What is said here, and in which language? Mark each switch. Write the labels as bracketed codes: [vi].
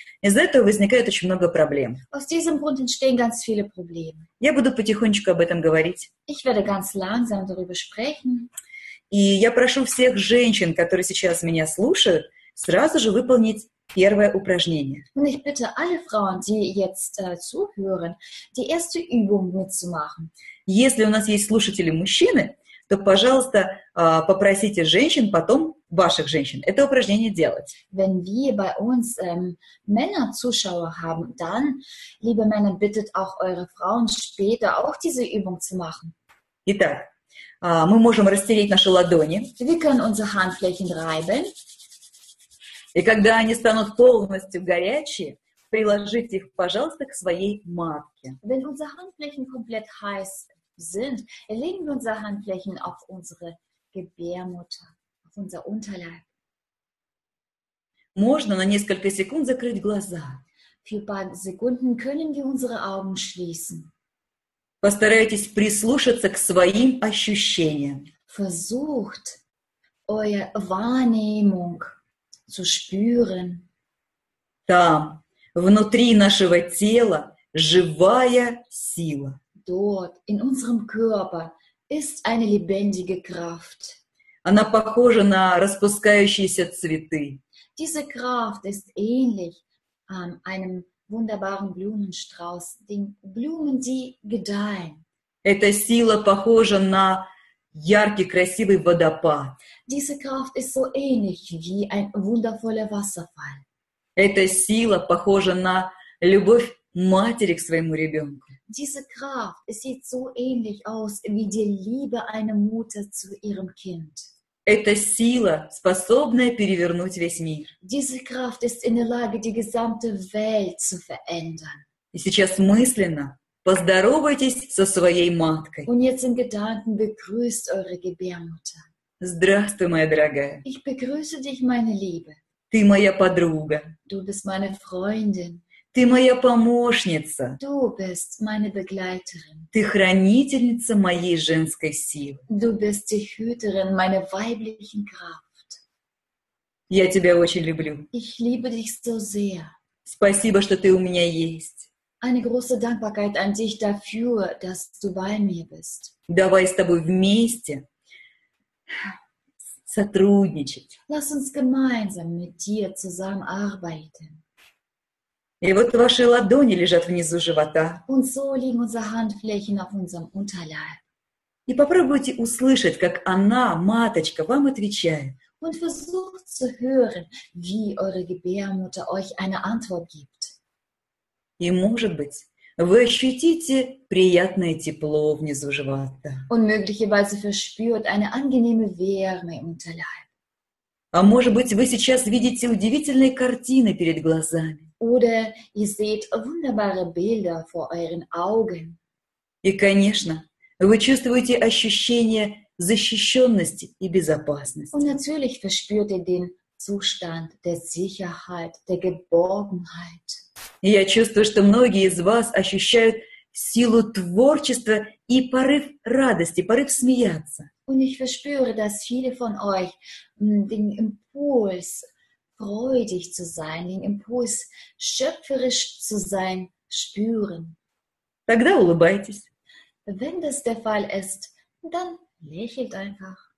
[ru] Из-за этого возникает очень много проблем. [de] Aus diesem Grund entstehen ganz viele Probleme. [ru] Я буду потихонечку об этом говорить. [de] Ich werde ganz langsam darüber sprechen. [ru] И я прошу всех женщин, которые сейчас меня слушают, сразу же выполнить Первое упражнение. [de] Und ich bitte alle Frauen, die jetzt zuhören, die erste Übung mitzumachen. [ru] Если у нас есть слушатели мужчины, то, пожалуйста, попросите женщин потом ваших женщин это упражнение делать. [de] Wenn wir bei uns Männer Zuschauer haben, dann, liebe Männer, bittet auch eure Frauen später auch diese Übung zu machen. [ru] Итак, мы можем растереть наши ладони. [de] Wir können unsere Handflächen reiben. [ru] И когда они станут полностью горячие, приложите их, пожалуйста, к своей матке. [de] Wenn unsere Handflächen komplett heiß sind, legen wir unsere Handflächen auf unsere Gebärmutter, auf unser Unterleib. [ru] Можно на несколько секунд закрыть глаза. [de] Für ein paar Sekunden können wir unsere Augen schließen. [ru] Постарайтесь прислушаться к своим ощущениям. [de] Versucht, eure Wahrnehmung zu spüren. [ru] Там, внутри нашего тела, живая сила. [de] Dort, in unserem Körper, ist eine lebendige Kraft. [ru] Она похожа на распускающиеся цветы. [de] Diese Kraft ist ähnlich einem wunderbaren Blumenstrauß, den Blumen, die gedeihen. [ru] Эта сила похожа на яркий, красивый водопад. [de] Diese Kraft ist so ähnlich wie ein wundervoller Wasserfall. [ru] Эта сила похожа на любовь матери к своему ребенку. [de] Diese Kraft sieht so ähnlich aus wie die Liebe einer Mutter zu ihrem Kind. [ru] Эта сила, способная перевернуть весь мир. [de] Diese Kraft ist in der Lage, die gesamte Welt zu verändern. [ru] И сейчас мысленно поздоровайтесь со своей маткой. [de] Und jetzt in Gedanken begrüßt eure Gebärmutter. [ru] Здравствуй, моя дорогая. [de] Ich begrüße dich, meine Liebe. [ru] Ты моя подруга. [de] Du bist meine Freundin. [ru] Ты моя помощница. [de] Du bist meine Begleiterin. [ru] Ты хранительница моей женской силы. [de] Du bist die Hüterin meiner weiblichen Kraft. [ru] Я тебя очень люблю. [de] Ich liebe dich so sehr. [ru] Спасибо, что ты у меня есть. [de] Eine große Dankbarkeit an dich dafür, dass du bei mir bist. [ru] Давай с тобой вместе сотрудничать. [de] Lass uns gemeinsam mit dir zusammenarbeiten. [ru] И вот ваши ладони лежат внизу живота. [de] Und so liegen unsere Handflächen auf unserem Unterleib. [ru] И попробуйте услышать, как она, маточка, вам отвечает. [de] Und versucht zu hören, wie eure Gebärmutter euch eine Antwort gibt. [ru] И, может быть, вы ощутите приятное тепло внизу живота. [de] Und möglicherweise verspürt eine angenehme Wärme im Unterleib. [ru] А может быть, вы сейчас видите удивительные картины перед глазами. [de] Oder ihr seht wunderbare Bilder vor euren Augen. [ru] И, конечно, вы чувствуете ощущение защищенности и безопасности. [de] Und natürlich verspürt ihr den Zustand der Sicherheit, der Geborgenheit. [ru] Я чувствую, что многие из вас ощущают силу творчества и порыв радости, порыв смеяться. [de] Und ich verspüre, dass viele von euch den Impuls freudig zu sein, den Impuls schöpferisch zu sein, spüren. [ru] Тогда улыбайтесь. [de] Wenn das der Fall ist, dann lächelt einfach.